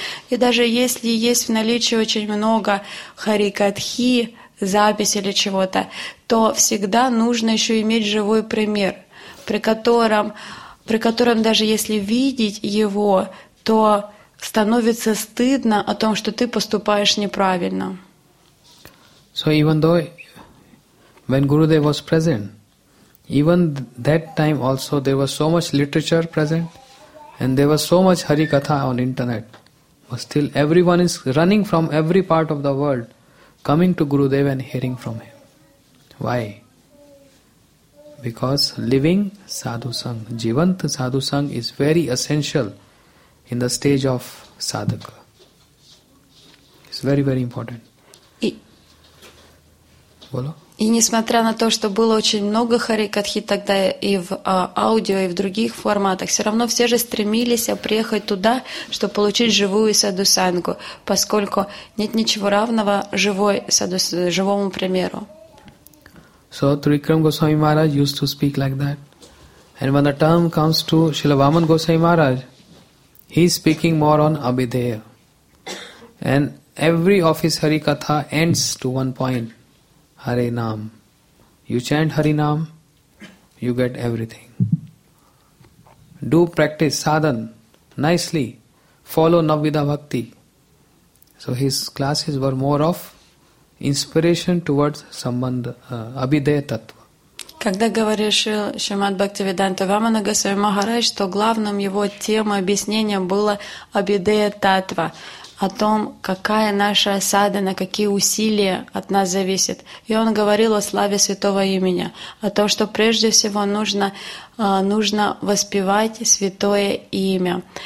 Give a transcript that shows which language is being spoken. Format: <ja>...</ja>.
<ru>И даже если есть в наличии очень много харикатхи, записи или чего-то, то всегда нужно еще иметь живой пример, при котором даже если видеть его, то становится стыдно о том, что ты поступаешь неправильно.</ru> <en>So even though when Gurudev was present, even that time also there was so much literature present and there was so much Harikatha on internet. But still everyone is running from every part of the world, coming to Gurudev and hearing from him. Why? Because living Sadhu Sangha, Jivant Sadhu Sangha is very essential in the stage of sadhaka. It's very, very important.</en> <hi>Bolo?</hi> <ru>И несмотря на то, что было очень много харикатхи тогда и в аудио, и в других форматах, все равно все же стремились приехать туда, чтобы получить живую садусангу, поскольку нет ничего равного живой живому примеру.</ru> <en>So Trivikram Goswami Maharaj used to speak like that. And when the term comes to Srila Vaman Goswami Maharaj, he is speaking more on Abhideya. And every office harikatha ends to one point. Hare Naam. You chant Hare Naam, you get everything. Do practice sadhan nicely. Follow Navvidha Bhakti. So his classes were more of inspiration towards Sambandha, Abhideya Tattva.</en> <ru>Когда говорил Шримад Бхактивиданта Вамана Госвами Махарадж, то главным его темой объяснения было Абидея Таттва. О том, какая наша садхана, какие усилия от нас зависят. И он говорил о славе святого имени, о том, что прежде всего нужно воспевать святое имя.</ru>